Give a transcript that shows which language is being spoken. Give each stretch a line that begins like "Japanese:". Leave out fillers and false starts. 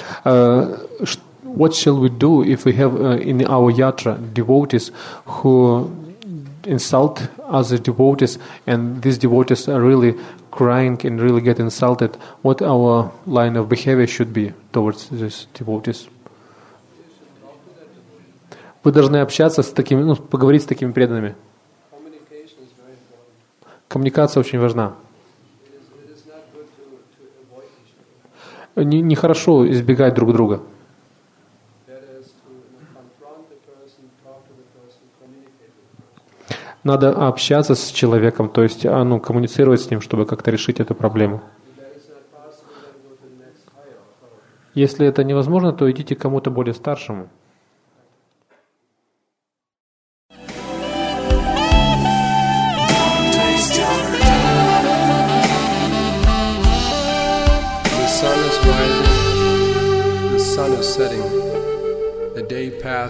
English: What shall we do if we have in our yatra devotees who insult other devotees, and these devotees are really crying and really get insulted? What our line of behavior should be towards these devotees?
Russian: Вы должны общаться с такими, ну, поговорить с такими преданными. Коммуникация очень важна. Нехорошо избегать друг друга. Надо общаться с человеком, то есть, ну, коммуницировать с ним, чтобы как-то решить эту проблему. Если это невозможно, то идите к кому-то более старшему.
English: Passes and is lost. Don't waste your time.